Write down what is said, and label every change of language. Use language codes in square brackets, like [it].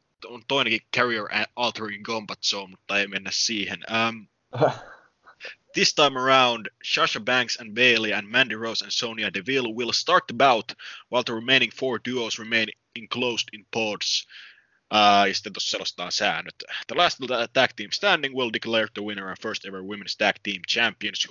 [fi] On toinenkin [en] career-altering combat zone, [fi] mutta ei mennä siihen. [en] This time around, Sasha Banks and Bayley and Mandy Rose and Sonya Deville will start the bout, while the remaining 4 duos remain enclosed in pods. [fi] Ja sitten tuossa selostetaan säännöt. [en] The last tag team standing will declare the winner and first ever women's tag team champions.